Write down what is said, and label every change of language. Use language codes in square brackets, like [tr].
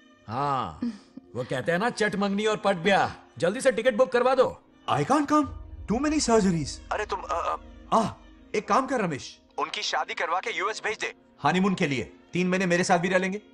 [hi] हाँ, वो कहते हैं ना चट मंगनी और पट ब्याह, जल्दी से टिकट बुक करवा दो। [en] I can't come, too many surgeries। [hi] अरे तुम एक काम कर रमेश, उनकी शादी करवा के US भेज दे हनीमून के लिए, 3 महीने मेरे साथ भी रह लेंगे।